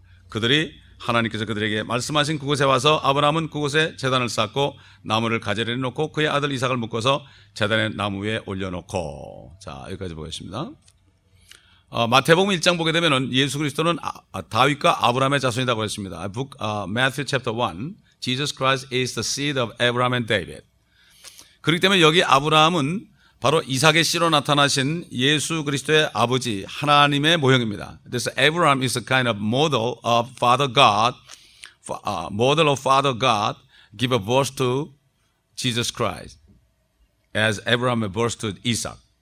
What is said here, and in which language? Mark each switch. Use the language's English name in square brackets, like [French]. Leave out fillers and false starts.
[Korean] 그들이 하나님께서 그들에게 말씀하신 그곳에 와서 아브라함은 그곳에 제단을 쌓고 나무를 가지런히 놓고 그의 아들 이삭을 묶어서 제단의 나무 위에 올려놓고 자 여기까지 보겠습니다. 마태복음 1장 보게 되면 예수 그리스도는 다윗과 아브라함의 자손이라고 했습니다. [English] Matthew chapter 1 Jesus Christ is the seed of Abraham and David. [Korean] 그렇기 때문에 여기 아브라함은 바로 이삭의 씨로 나타나신 예수 그리스도의 아버지 하나님의 모형입니다. [English] This Abraham is a kind of model of Father God, model of Father God, give a birth to Jesus Christ, as Abraham gave birth to Isaac.